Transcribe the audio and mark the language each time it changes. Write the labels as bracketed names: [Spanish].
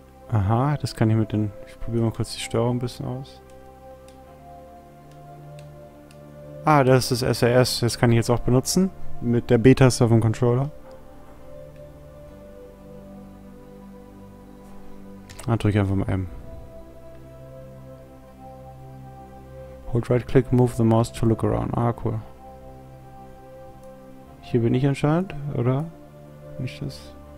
[German] Aha, das kann ich mit den. Ich probiere mal kurz die Steuerung ein bisschen aus. Ah, das ist das SRS, das kann ich jetzt auch benutzen. Mit der B-Taste auf dem Controller. Dann drücke ich einfach mal M. [English] Hold right click, move the mouse to look around. Ah, cool. [German] Hier bin ich anscheinend, oder? Nicht das?